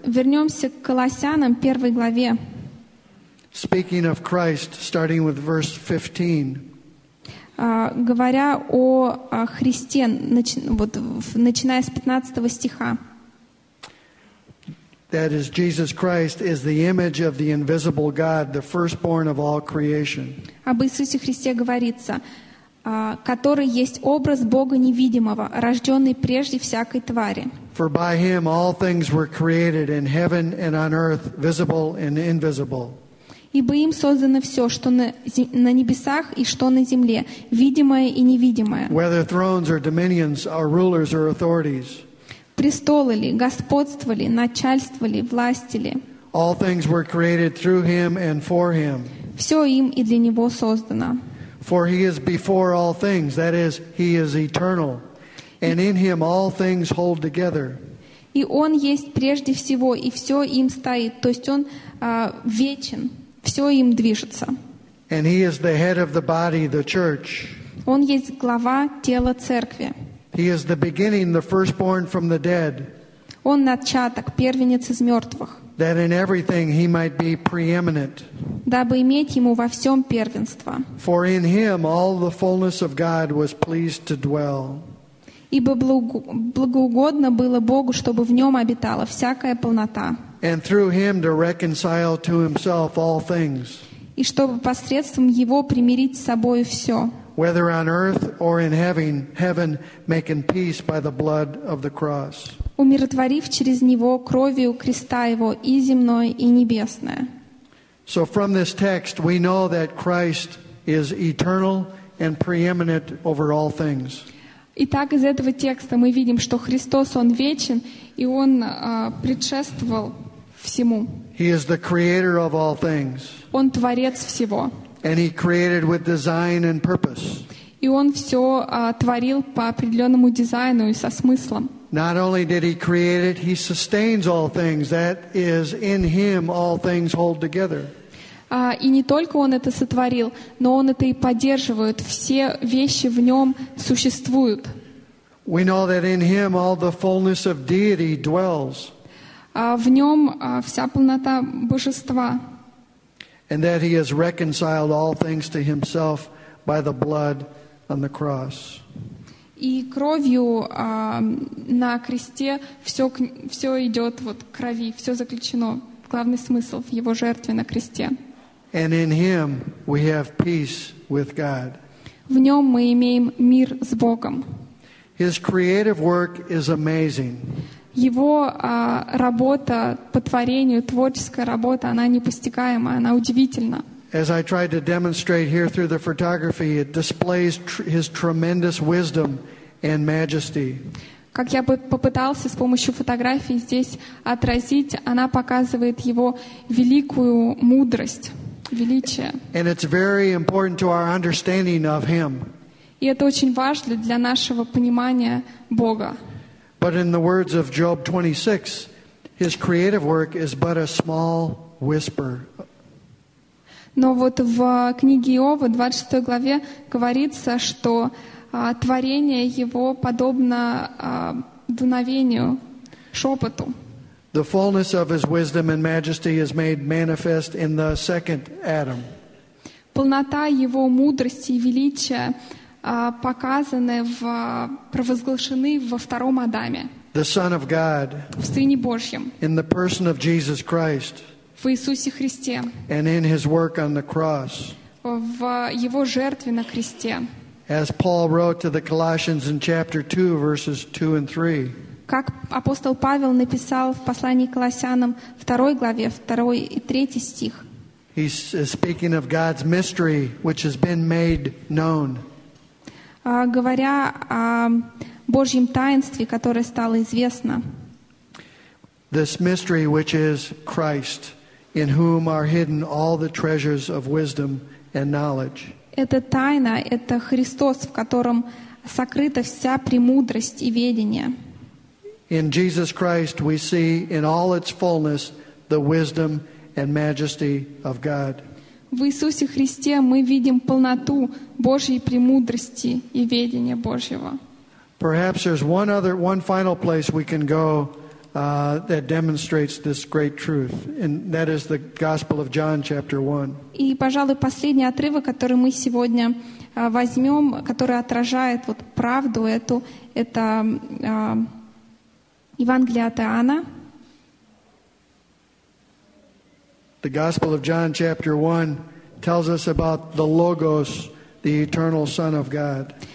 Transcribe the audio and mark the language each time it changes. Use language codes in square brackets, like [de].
[ru] Вернемся к Колоссянам, первой главе. [en] Speaking of Christ, starting with verse 15. [ru] Говоря о Христе, начиная с 15 стиха. [en] That is, Jesus Christ is the image of the invisible God, the firstborn of all creation. [ru] Об Иисусе Христе говорится, который есть образ Бога невидимого, рожденный прежде всякой твари. [en] For by him all things were created in heaven and on earth, visible and invisible. [ru] Ибо им создано все, что на небесах и что на земле, видимое и невидимое. [en] Whether thrones or dominions or rulers or authorities. [ru] Престолы ли, господство ли, начальство ли, власти ли. [en] All things were created through him and for him. [ru] Все им и для него создано. [en] For he is before all things, that is, he is eternal. And in him all things hold together. [ru] И он есть прежде всего, и все им стоит. То есть он вечен, все им движется. [en] And he is the head of the body, the church. [ru] Он есть глава тела церкви. [en] He is the beginning, the firstborn from the dead. [ru] Он начаток, первенец из мертвых. [en] That in everything he might be preeminent. [ru] Дабы иметь ему во всем первенство. [en] For in him all the fullness of God was pleased to dwell. [ru] Ибо благоугодно было Богу, чтобы в нем обитала всякая полнота. [en] And through him to reconcile to himself all things. [ru] И чтобы посредством его примирить с собою все. [en] Whether on earth or in heaven, heaven making peace by the blood of the cross. [ru] Умиротворив через него кровью креста его и земное, и небесное. [en] So from this text, we know that Christ is eternal and preeminent over all things. [ru] Итак, из этого текста мы видим, что Христос, он вечен, и он предшествовал всему. [en] He is the creator of all things. [ru] Он творец всего. [en] And he created with design and purpose. [ru] И он все творил по определенному дизайну и со смыслом. [en] Not only did he create it, he sustains all things. That is, in him all things hold together. [ru] И не только он это сотворил, но он это и поддерживает. Все вещи в нем существуют. [en] We know that in him all the fullness of deity dwells. [ru] В нем вся полнота божества. [en] And that he has reconciled all things to himself by the blood on the cross. [ru] И кровью на кресте все идет вот крови, все заключено. Главный смысл в его жертве на кресте. [en] And in him we have peace with God. [ru] В нем мы имеем мир с Богом. [en] His creative work is amazing. [ru] Его работа по творению, творческая работа, она непостигаема, она удивительна. [en] As I tried to demonstrate here through the photography, it displays his tremendous wisdom and majesty. [ru] Как я попытался с помощью фотографии здесь отразить, она показывает его великую мудрость, величие. [en] And it's very important to our understanding of him. [ru] И это очень важно для нашего понимания Бога. [en] But in the words of Job 26, his creative work is but a small whisper. [ru] Но вот в книге Иова, 26 главе, говорится, что творение его подобно дуновению, шепоту. [en] The fullness of his wisdom and majesty is made manifest in the second Adam. [ru] Полнота его мудрости и величия показаны в провозглашены во втором Адаме. [en] The Son of God. [ru] В Сыне Божьем. [en] In the person of Jesus Christ. [ru] В Иисусе Христе. [en] And in his work on the cross. [ru] В его жертве на кресте. [en] As Paul wrote to the Colossians in chapter 2 verses 2 and 3. [ru] Как апостол Павел написал в послании к Колоссянам, 2 главе, 2 и 3 стих. [en] He's speaking of God's mystery which has been made known. [ru] Говоря о Божьем таинстве, которое стало известно. [en] This mystery which is Christ, in whom are hidden all the treasures of wisdom and knowledge. [ru] Это тайна, это Христос, в котором сокрыта вся премудрость и ведение. [en] In Jesus Christ we see in all its fullness the wisdom and majesty of God. [ru] В Иисусе Христе мы видим полноту Божьей премудрости и ведения Божьего. [en] Perhaps there's one final place we can go that demonstrates this great truth, and that is the Gospel of John, chapter 1. [ru] И, пожалуй, последний отрывок, который мы сегодня возьмем, который отражает вот правду эту, это Евангелие от Иоанна. [en] The Gospel of John, chapter 1, tells us about the Logos, the eternal Son of God.